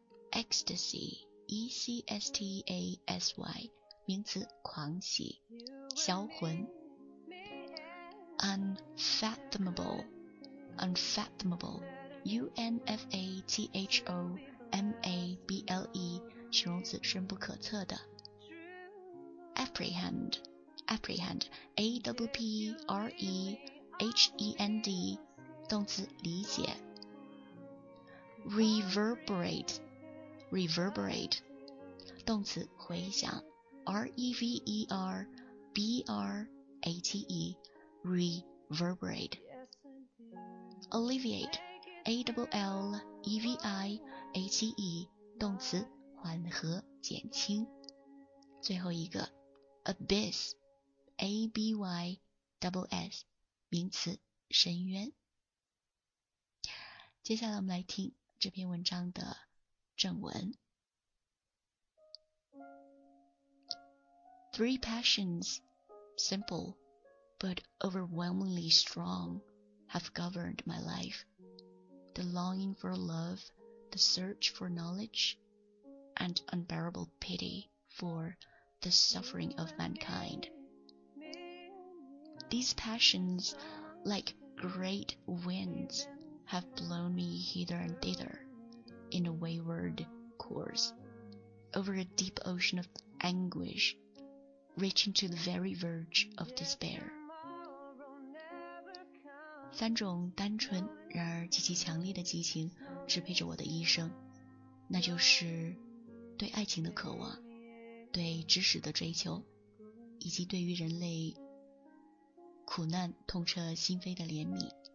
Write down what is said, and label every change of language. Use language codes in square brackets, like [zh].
[en] ecstasy e-c-s-t-a-s-y [zh] 名词狂喜销魂 [en] Unfathomable, unfathomable, unfathomable, [zh] 形容词深不可测的。 [en] Apprehend, apprehend, A-P-P-R-E-H-E-N-D, [zh] 动词理解。 [en] Reverberate, reverberate, [zh] 动词回响。 [en] R-E-V-E-R-B-R-A-T-E,Reverberate Alleviate A-L-L-E-V-I-A-T-E [zh] 动词缓和减轻最后一个 [en] Abyss A-B-Y-S-S [zh] 名词深渊接下来我们来听这篇文章的正文 [en] Three passions SimpleBut overwhelmingly strong have governed my life. The longing for love, the search for knowledge, and unbearable pity for the suffering of mankind. These passions, like great winds, have blown me hither and thither in a wayward course, over a deep ocean of anguish, reaching to the very verge of despair. [zh] 三种单纯然而极其强烈的激情支配着我的一生，那就是对爱情的渴望，对知识的追求，以及对于人类苦难痛彻心扉的怜悯。